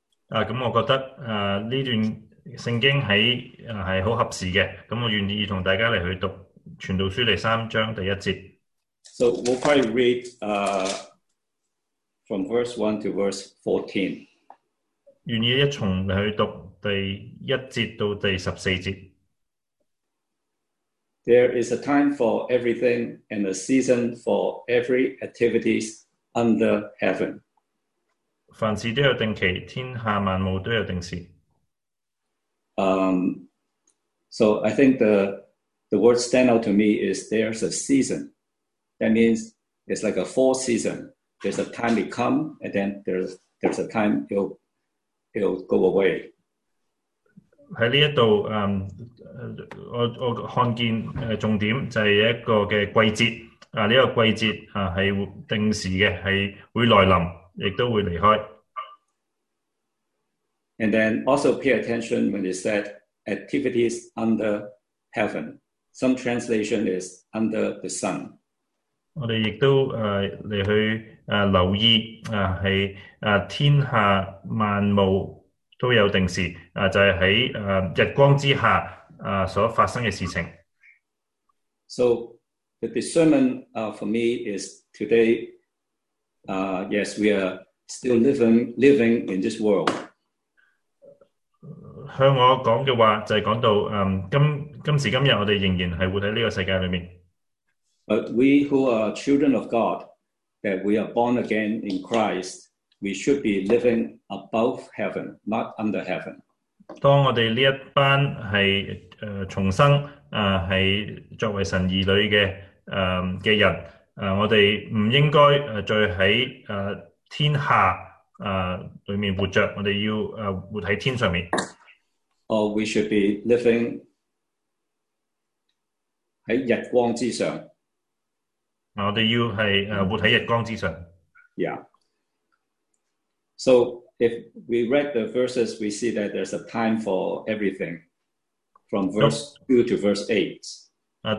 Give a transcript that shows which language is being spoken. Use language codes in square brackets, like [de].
[zh] 我觉得这段圣经是很合适的，我愿意和大家来去读。传道书第三章第一节。 [en] So we'll probably read from verse 1 to verse 14. [zh] 愿意一从去读第一节到第十四节。 [en] There is a time for everything and a season for every activities under heaven. [zh] 凡事都有定期，天下万物都有定时。 [en] So I think the word stand out to me is there's a season. That means it's like a four season. There's a time it come, and then there's a time it'll go away. [zh] 在这里我看见重点就是一个的季节，这个季节是定时的，是会来临，也都会离开。 [en] And then also pay attention when it said activities under heaven. Some translation is under the sun. [zh] 我们也都来去留意是天下万物都有定时，就是在日光之下所发生的事情。 [en] So the discernment for me is today, yes, we are still living in this world. [zh] 向我讲的话就是讲到今时今日我们仍然是活在这个世界里面。 [en] But we who are children of God, that we are born again in Christ, we should be living above heaven, not under heaven. [zh] 当我们这一班是重生是作为神儿女的人我们不应该再在天下里面活着，我们要活在天上面。 [en] Or we should be living [zh] 在日光之上。我们要是活在日光之上。 [en] Yeah. So if we read the verses, we see that there's a time for everything from verse 2 to verse 8.